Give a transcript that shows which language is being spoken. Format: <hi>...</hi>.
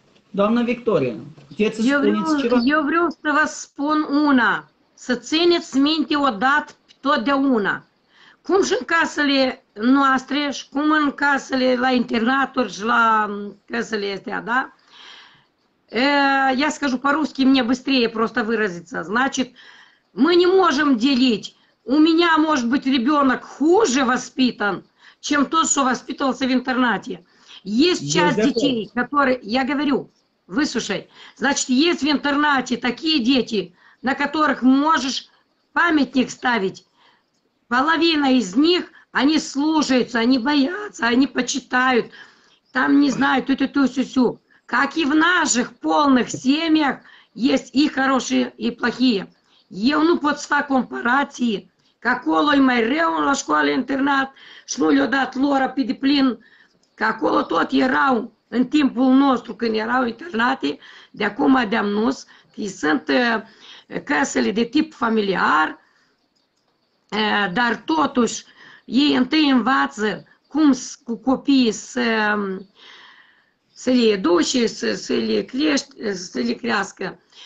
<ro>Doamna Victoria, puteți să spuneți ceva? Eu vreau să vă spun una. Să țineți minte odată totdeauna. Cum și în casele noastre și cum în casele la internaturi și la casele astea, da?</ro> <ru>Я скажу по-русски, мне быстрее просто выразиться. Значит, мы не можем делить. У меня, может быть, ребенок хуже воспитан, чем тот, что воспитывался в интернате. Есть часть детей, которые, я говорю, выслушай, значит, есть в интернате такие дети, на которых можешь памятник ставить. Половина из них, они слушаются, они боятся, они почитают, там не знают, ту-ту-ту-сю-сю. Как и в наших полных семьях есть и хорошие, и плохие.</ru> <ro>Eu nu pot să fac comparații, că acolo e mai rău la școală internat și nu le-a dat lor pe deplin, că acolo tot erau în timpul nostru când erau internate, de acum de-am nus, că sunt casele de tip familiar, dar totuși ei întâi învață cum cu copiii să le educe, să le crească.</ro>